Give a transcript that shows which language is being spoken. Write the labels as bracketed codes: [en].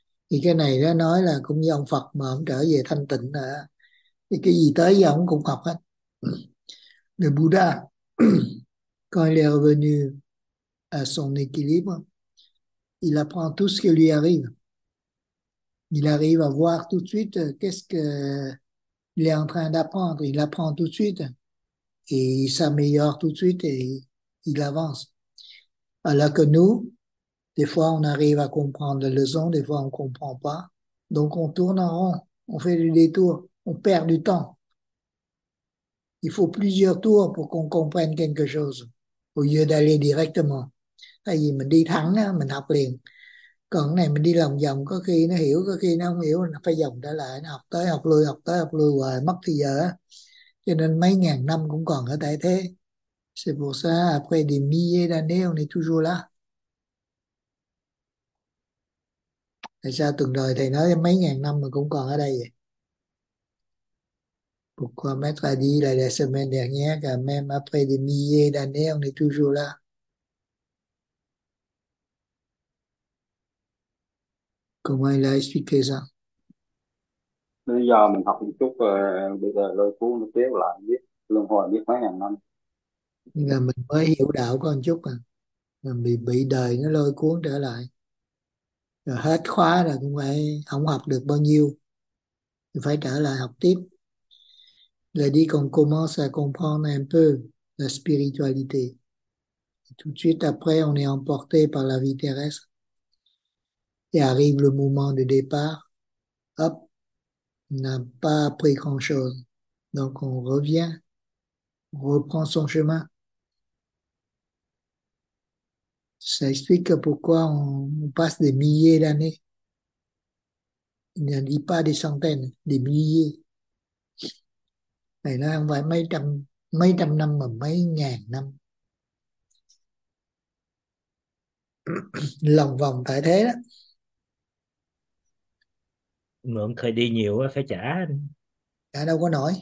[vi] Et cái này nó nói là cũng như ông Phật mà ông trở về thanh tịnh. Thì cái gì tới giờ ông cũng học hết. [fr] Le Bouddha, quand il est revenu à son équilibre, il apprend tout ce qui lui arrive. Il arrive à voir tout de suite qu'est-ce qu'il est en train d'apprendre. Il apprend tout de suite et il s'améliore tout de suite et il avance. Alors que nous, des fois, on arrive à comprendre la leçon, des fois, on ne comprend pas. Donc, on tourne en rond, on fait du détour, on perd du temps. Il faut plusieurs tours pour qu'on comprenne quelque chose au lieu d'aller directement. [vi] Tại vì mình đi thẳng á, mình học liền. Còn cái này mình đi lòng vòng, có khi nó hiểu, có khi nó không hiểu, nó phải vòng trở lại, nó học tới học lui, học tới học lui hoài, mất thì giờ á. Cho nên mấy ngàn năm cũng còn ở tại thế. [fr] C'est pour ça, après des milliers d'années, on est toujours là. [vi] Tại sao tuần rồi thầy nói mấy ngàn năm mà cũng còn ở đây vậy? [fr] Pourquoi m'être dit la semaine dernière, quand même après des milliers d'années, on est toujours là? Comment il a expliqué ça? [vi] Bây giờ mình học một chút rồi, bây giờ lôi cuốn nó kéo lại biết luân hồi biết mấy ngàn năm. Nhưng mà mình mới hiểu đạo có một chút à. Mình bị đời nó lôi cuốn trở lại. Rồi hết khóa rồi cũng phải không học được bao nhiêu. Thì phải trở lại học tiếp. Là đi còn [fr] commence à comprendre un peu la spiritualité. Tout de suite après, on est emporté par la vie terrestre. Et arrive le moment de départ, hop, on n'a pas appris grand-chose. Donc on revient, on reprend son chemin. Ça explique pourquoi on passe des milliers d'années. Il n'en dit pas des centaines, des milliers. Mais là, on va [vi] mấy trăm năm mà mấy ngàn năm. Lòng vòng tại thế đó. Mượn thời đi nhiều phải trả Trả đâu có nổi.